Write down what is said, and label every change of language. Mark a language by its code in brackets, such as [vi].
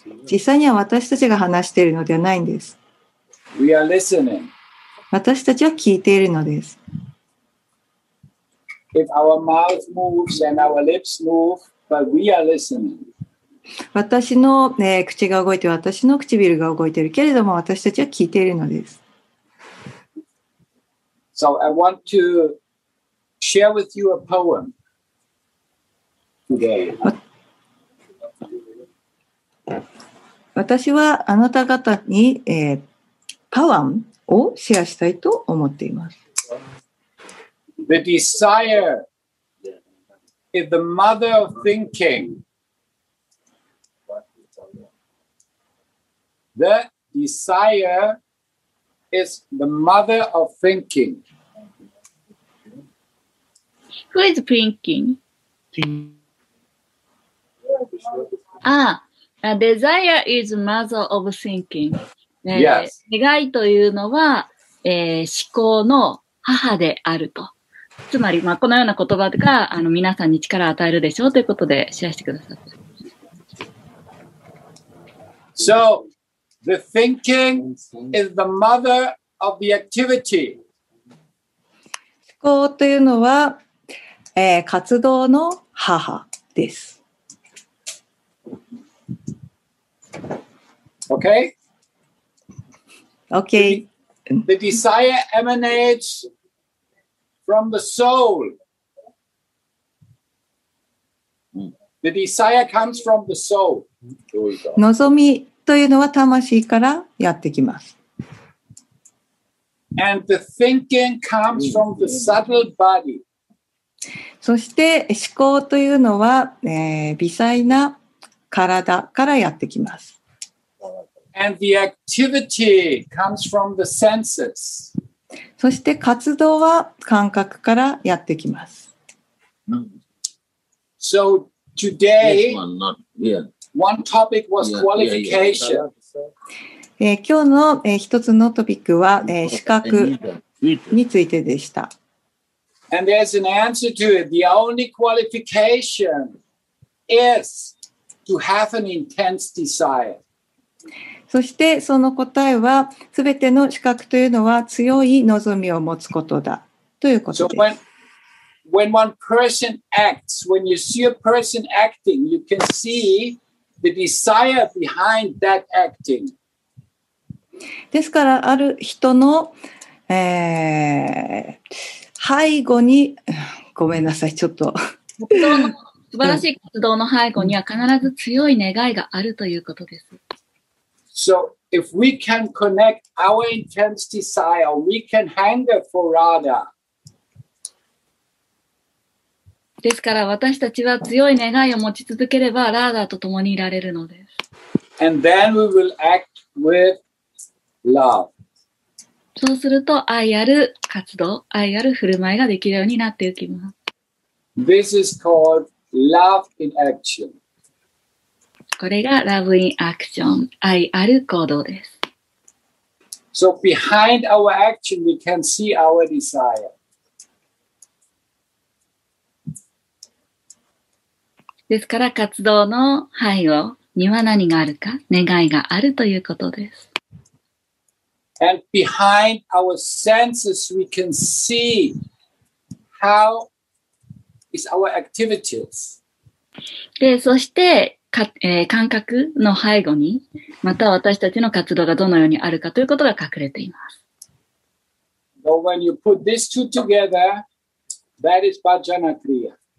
[ja] 実際には私たちが話しているのではないんです。 [en] We are listening. [ja] 私たちは聞いているのです。 [en] If our mouth moves and our lips move, but we are listening. [ja] 私の、口が動いて私の唇が動いているけれども私たちは聞いているのです。 [en] So I want to share with you a poem today. [ja] 私はあなた方に、パワンをシェアしたいと思っています。 [en] The desire is the mother of thinking. The desire is the mother of thinking. Who is thinking? Ah, a desire is mother of thinking. Yes. [ja] 願いというのは、思考の母であると。つまり、まあ、このような言葉が皆さんに力を与えるでしょうということでシェアしてくださった。 [en] So, the thinking is the mother of the activity. [ja] 思考というのは、活動の母です。 [en] Okay? Okay. The desire emanates... From the soul. The desire comes from the soul. [ja] 望みというのは魂からやってきます。 [en] And the thinking comes from the subtle body. [ja] そして思考というのは、微細な体からやってきます。 [en] And the activity comes from the senses. [ja] そして活動は感覚からやってきます。 [en] So today, one topic was qualification. [ja] 今日の一つのトピックは資格についてでした。 [en] And there's an answer to it. The only qualification is to have an intense desire. [ja] そしてその答えは、すべての資格というのは強い望みを持つことだということです。 [en] So when one person acts, when you see a person acting, you can see the desire behind that acting. [ja] ですから、ある人の、背後に、ごめんなさい、ちょっと。素晴らしい活動の背後には必ず強い願いがあるということです。 [en] So if we can connect our intense desire, we can hunger for Radha. [ja] ですから私たちは強い願いを持ち続ければラーダと共にいられるのです。 [en] And then we will act with love. [ja] そうすると愛ある活動、愛ある振る舞いができるようになっていきます。 [en] This is called love in action. [ja] これがラブインアクション、愛ある行動です。 [en] So behind our action, we can see our desire. [ja] ですから活動の背後には何があるか、願いがあるということです。 [en] And behind our senses, we can see how is our activities. [ja] で、そして感覚の背後にまた私たちの活動がどのようにあるかということが隠れています。 [en] So when you put these two together, that is Bhajana Kriya.